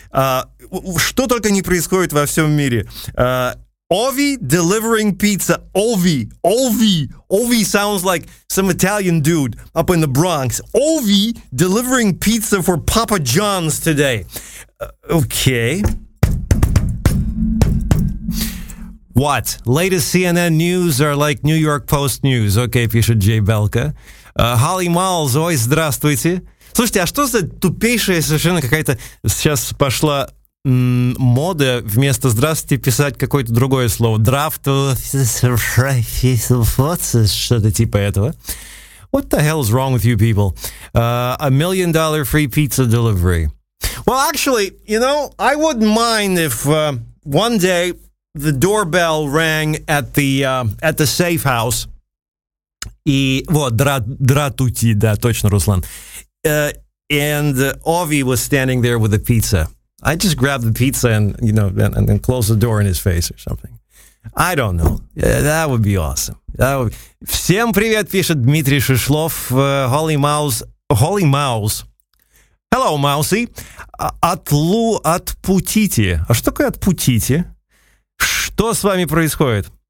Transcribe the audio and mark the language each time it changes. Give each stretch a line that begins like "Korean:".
Russian: Что только не происходит во всем мире.
English: Ovi delivering pizza. Ovi. Ovi sounds like some Italian dude up in the Bronx. Ovi delivering pizza for Papa John's today. Okay. What? Latest CNN news are like New York Post news. Okay,
Russian: пишет Джей Белка. Holly Miles, ой, здравствуйте. Слушайте, а что за тупейшая совершенно какая-то сейчас пошла мода вместо «здравствуйте» писать какое-то другое слово? Драфт, что-то типа этого.
English: What the hell is wrong with you people? $1 million free pizza delivery. Well, actually, you know, I wouldn't mind if one day the doorbell rang at the safe house.
Russian: И вот, дратути, да, точно, Руслан.
English: And Ovi was standing there with a pizza. I just grabbed the pizza and, you know, and close the door in his face or something. I don't know. That would be awesome. That would be...
Russian: Всем привет, пишет Дмитрий Шишлов.
English: Holy Mouse. Holy Mouse. Hello, Mousy.
Russian: Отпутите. А что такое отпутите? Что с вами происходит?